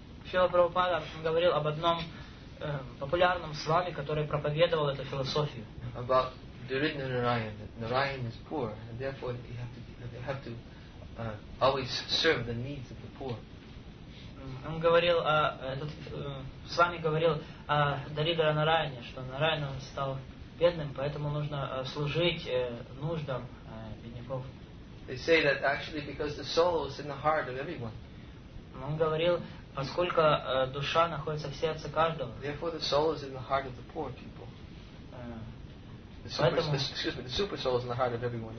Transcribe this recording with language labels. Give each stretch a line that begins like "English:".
Russian: Шрила Прабхупада говорил об одном популярном свами, который проповедовал эту философию.
English: About Daridra Narayana, that Narayana is poor, and therefore they have to always serve the needs of the poor.
Russian: Он говорил о этот свами говорил о Даридра Нарайане, что Нарайана стал бедным, поэтому нужно служить нуждам бедняков.
English: They say that actually because the soul is in the heart of everyone.
Russian: Он говорил, поскольку душа находится в сердце каждого.
English: Therefore the soul is in the heart of the poor people. The super soul is in the heart of everyone.